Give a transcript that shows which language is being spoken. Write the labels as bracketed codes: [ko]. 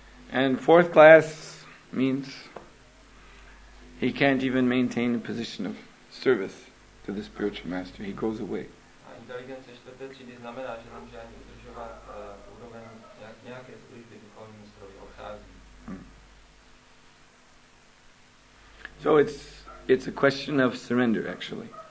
[en] And fourth class means he can't even maintain a position of service to the spiritual master. He goes away. [cs] inteligence čtvrté třídy znamená, že nemůže ani udržovat úroveň nějaké služby duchovní mistrovi odchází. [en] So it's a question of surrender, actually.